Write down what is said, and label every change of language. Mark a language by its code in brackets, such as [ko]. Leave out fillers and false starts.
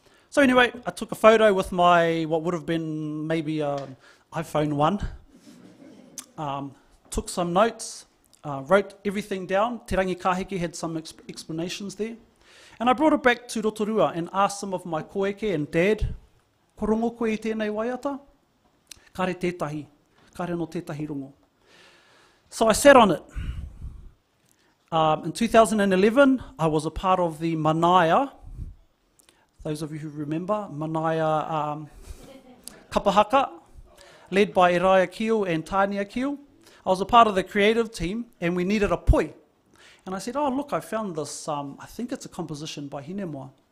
[en] So anyway, I took a photo with my, what would have been maybe an iPhone 1, took some notes, wrote everything down. Te Rangi Kahiki had some explanations there. And I brought it back to Rotorua and asked some of my koeke and dad, [mi] ko rongo koe I tēnei waiata? Kare tētahi, kare no tētahi rongo. [en] So I sat on it. In 2011, I was a part of the Manaia. Those of you who remember, Manaia Kapahaka, led by Iraya Keel and Tania Keel. I was a part of the creative team, and we needed a poi. And I said, oh, look, I found this, I think it's a composition by Hinemoa.